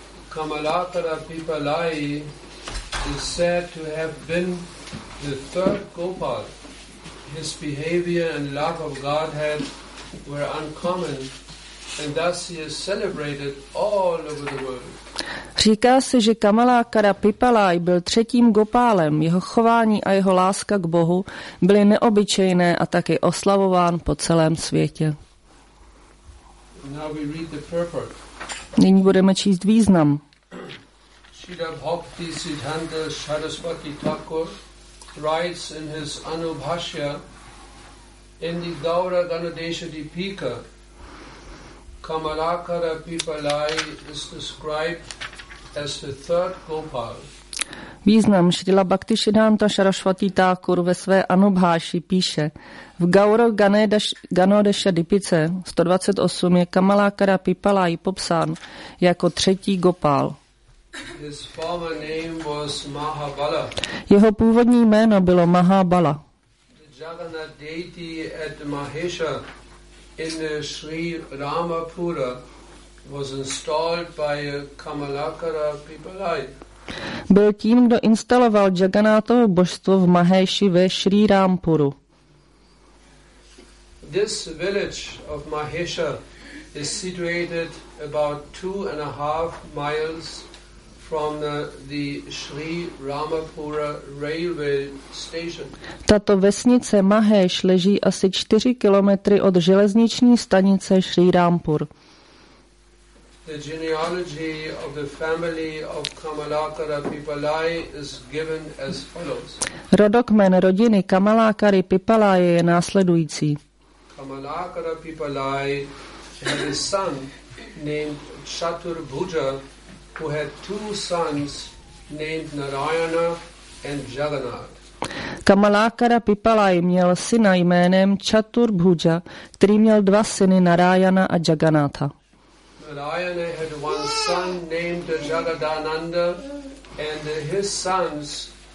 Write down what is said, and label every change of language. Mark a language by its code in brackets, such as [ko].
[en] Kamalakara Pipalai is said to have been the third Gopal. His behavior and love of Godhead were uncommon, and thus he is celebrated all over the world. [cs] Říká se, že Kamalakara Pipalai byl třetím Gopálem. Jeho chování a jeho láska k Bohu byly neobyčejné a taky oslavován po celém světě. [en] Now we read the purport. [cs] Nyní budeme číst význam. [en] Srila Bhakti Siddhanta Saraswati Thakur writes in his Anubhashya in the Gaura Ganadesha Deepika, Kamalakara Pipalai is described as the third Gopal. [cs] Význam Srila Bhakti Siddhanta Saraswati Thakur ve své Anubhashi píše, v Gaura Ganadesha Deepice 128 je Kamalakara Pipalai popsán jako třetí Gopal. [en] His former name was Mahabala. [cs] Jeho původní jméno bylo Mahabala. [en] The Jagannath deity at Mahesha in Sri Ramapura was installed by Kamalakara Pipalai. [cs] Byl tím, kdo instaloval Jagannathovo božstvo v Maheshi ve Sri Rampuru. [en] This village of Mahesha is situated about 2.5 miles from the Sri Ramapura railway station. [cs] Tato vesnice Mahesh leží asi 4 kilometry od železniční stanice Sri Rampur. [en] The genealogy of the family of Kamalakara Pipalai is given as follows. [cs] Rodokmen rodiny Kamalakary Pipalai je následující. [en] Kamalakara Pipalai had a son named Chaturbhuja who had two sons named Narayana and Jagannath. [cs] Kamalakara Pipalai měl syna jménem Chaturbhuja, který měl dva syny Narayana a Jagannatha. [en] Narayana had one son named Jagadananda and his sons